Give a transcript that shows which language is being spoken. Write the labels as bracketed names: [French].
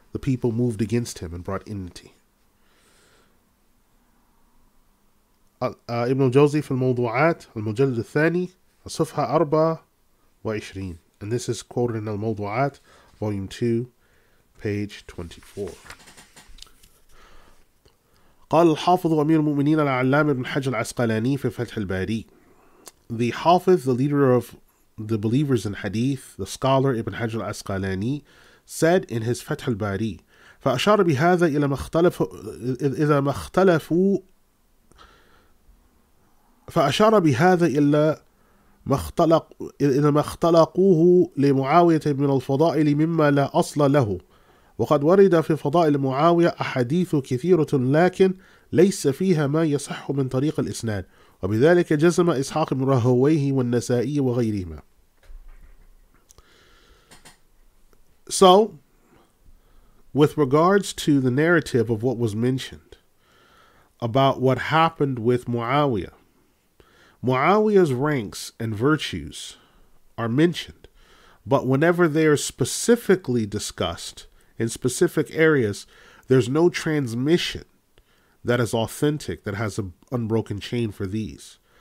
[English] the people moved against him and brought enmity. [Arabic] Ibn al-Jawzi fi al-Mawdu'at al-Mujallid al-Thani, Safha 24. [English] And this is quoted in al-Mawdu'at, volume 2, page 24. [Arabic] قال الحافظ أمير المؤمنين العلام بن حجر العسقلاني في فتح الباري. [English] The Hafiz, the leader of the believers in Hadith, the scholar Ibn Hajar al-Asqalani, said in his Fath al-Bari, [Arabic] فَأَشَارَ بِهَذَا إِلَى مَخْتَلَفُ إِذَا مَخْتَلَفُ فَأَشَارَ بِهَذَا إِلَى مَخْتَلَقُ إِذَا مَخْتَلَقُوهُ لِمُعَاوِيَةَ مِنَ الْفَضَائِلِ مِمَّا لَا أَصْلَ لَهُ وَقَدْ وَرِدَ فِي فَضَائِلِ مُعَاوِيَةَ أَحَادِيثُ كَثِيرَةٌ لَكِنْ لَيْسَ فِيهَا مَا يَصِحُّ مِنْ طَرِيقِ الْإِسْنَادِ وبذلك جزم إسحاق بن راهويه والنسائي وغيرهما. [English] So, with regards to the narrative of what was mentioned about what happened with Muawiyah, Muawiyah's ranks and virtues are mentioned, but whenever they are specifically discussed in specific areas, there's no transmission that is authentic, that has an unbroken chain for these.